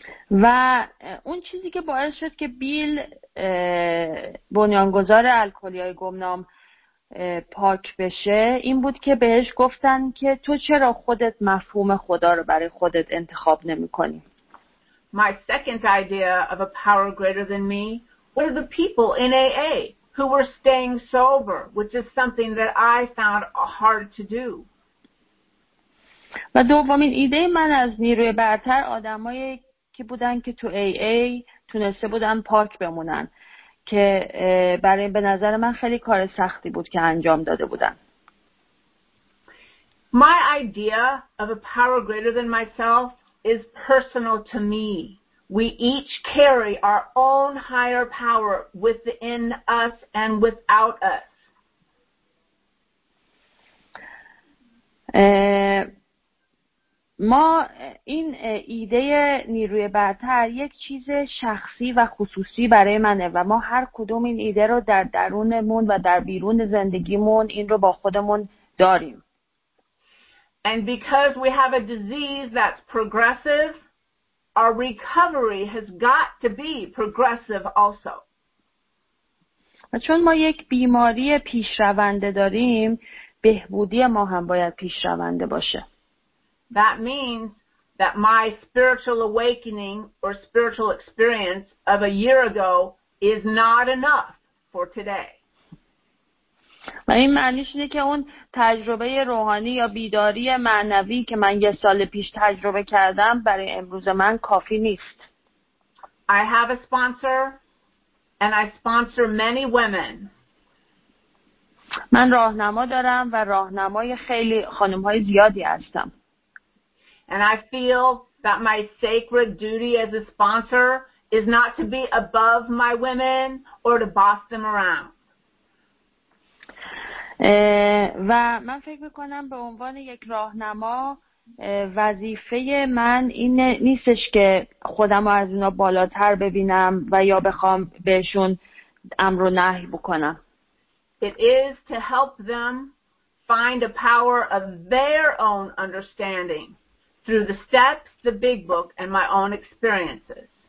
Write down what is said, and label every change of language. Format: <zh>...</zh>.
<fa>و اون چیزی که باعث شد که بیل بنیانگذار الکلی‌های گمنام پاک بشه این بود که بهش گفتن که تو چرا خودت مفهوم خدا رو برای خودت انتخاب نمی‌کنی.</fa> <en>My second idea of a power greater than me were the people in AA who were staying sober, which is something that I found hard to do.</en> <fa>و دومین ایده من از نیروی برتر آدمایی که بودن که تو AA تونسته بودن پاک بمونن، که برای به نظر من خیلی کار سختی بود که انجام داده بودن.</fa> <en>My idea of a power greater than myself is personal to me. We each carry our own higher power within us and without us.</en> <fa>ما این ایده نیروی برتر یک چیز شخصی و خصوصی برای منه و ما هر کدوم این ایده رو در درونمون و در بیرون زندگیمون این رو با خودمون داریم.</fa> <en>And because we have a disease that's progressive, our recovery has got to be progressive also.</en> <fa>و چون ما یک بیماری پیشرونده داریم، بهبودی ما هم باید پیشرونده باشه.</fa> <en>That means that my spiritual awakening or spiritual experience of a year ago is not enough for today.</en> <fa>و این معنیش اینه که اون تجربه روحانی یا بیداری معنوی که من یه سال پیش تجربه کردم برای امروز من کافی نیست.</fa> <en>I have a sponsor and I sponsor many women.</en> <fa>من راهنما دارم و راهنمای خیلی خانم‌های زیادی هستم.</fa> <en>And I feel that my sacred duty as a sponsor is not to be above my women or to boss them around.</en> <fa>و من فکر میکنم به عنوان یک راهنما وظیفه من این نیستش که خودم رو از اینا بالاتر ببینم و یا بخوام بهشون امر و نهی بکنم.</fa> <en>It is to help them find a power of their own understanding through the steps, the big book, and my own experiences.</en>